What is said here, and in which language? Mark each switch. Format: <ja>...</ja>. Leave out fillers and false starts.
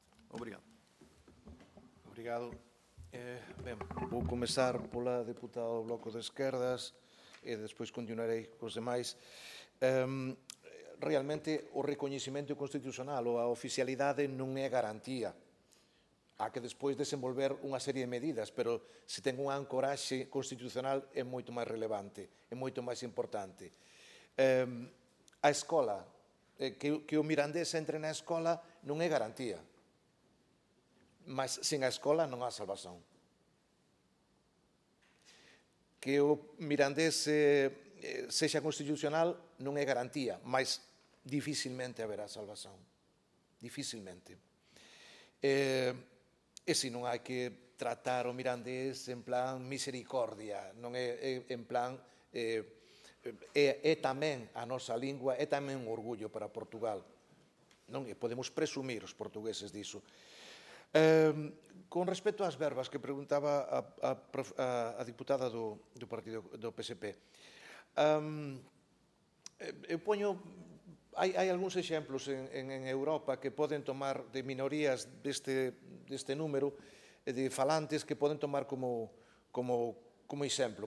<pt>Obrigado. Obrigado. Bem, vou começar pela deputada do Bloco das Esquerdas e depois continuarei com os demais.</pt> <gl>Realmente, o reconhecimento constitucional ou a oficialidade non é garantía. Há que despois desenvolver unha serie de medidas, pero se ten unha ancoraxe constitucional é moito máis relevante, é moito máis importante. A escola, que o mirandés entre na escola, non é garantía. Mas sen a escola non há salvación. Que o mirandés sexa constitucional non é garantía, mas difícilmente haberá salvación. Difícilmente. E se non hai que tratar o mirandés en plan misericordia, non é en plan... tamén a nosa lingua, é tamén un orgullo para Portugal. Non? E podemos presumir os portugueses disso. Con respecto ás verbas que preguntaba a diputada do partido do PSP, eu poño... Hai algúns exemplos en Europa que poden tomar de minorías deste número de falantes que poden tomar como exemplo.</gl>